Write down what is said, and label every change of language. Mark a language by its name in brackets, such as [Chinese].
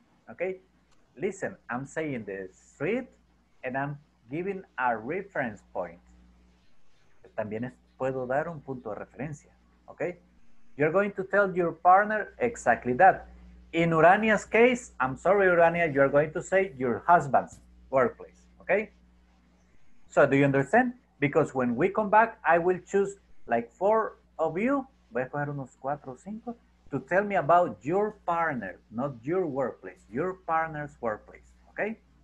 [English] Okay, listen, I'm saying the street, and I'm giving a reference point. [Spanish] También puedo dar un punto de referencia, okay? [English] You're going to tell your partner exactly that. In Urania's case, I'm sorry, Urania, you're going to say your husband's workplace, okay? So do you understand? Because when we come back, I will choose like 4 of you, [Spanish] voy a coger unos 4 o 5, [English] to tell me about your partner, not your workplace, your partner's workplace, okay?